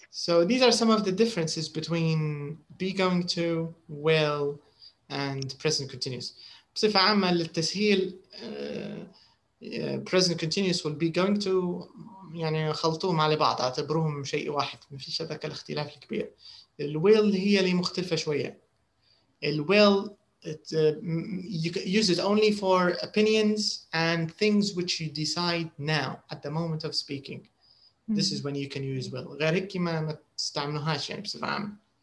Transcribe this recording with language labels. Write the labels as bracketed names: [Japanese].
[English] So these are some of the differences between be going to, will, and present continuous. [Arabic] بصفة عامة للتسهيل, present continuous will be going to, يعني خلطوهم على بعض, اعتبروهم شيء واحد, ما فيش هذاك الاختلاف الكبير. ال will هي اللي مختلفة شوية. [English] ال will, you use it only for opinions and things which you decide now, at the moment of speaking. This is when you can use will. [Arabic] غير هيك ما تستعملوهاش يعني بصفة عامة.